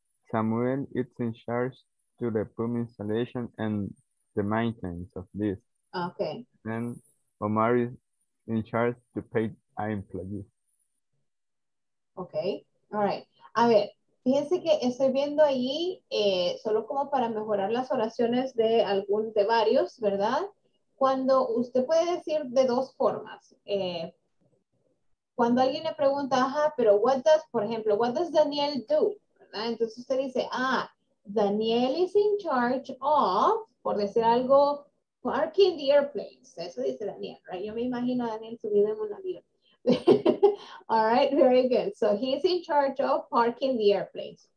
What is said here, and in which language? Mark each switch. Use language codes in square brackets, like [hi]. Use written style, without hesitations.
[en] Samuel is in charge to the pump installation and the maintenance of this. Okay. And Omar is in charge to pay our employees. Okay, all right. [es] A ver. Fíjense que estoy viendo ahí, solo como para mejorar las oraciones de algún de varios, ¿verdad? Cuando usted puede decir de dos formas. Cuando alguien le pregunta, ajá, pero what does, por ejemplo, [en] what does Daniel do? [es] ¿Verdad? Entonces usted dice, ah, [en] Daniel is in charge of, [es] por decir algo, [en] parking the airplanes. [es] Eso dice Daniel, [en] right? [es] Yo me imagino a Daniel subido en un avión. [en] All right, very good. So he's in charge of parking the airplanes.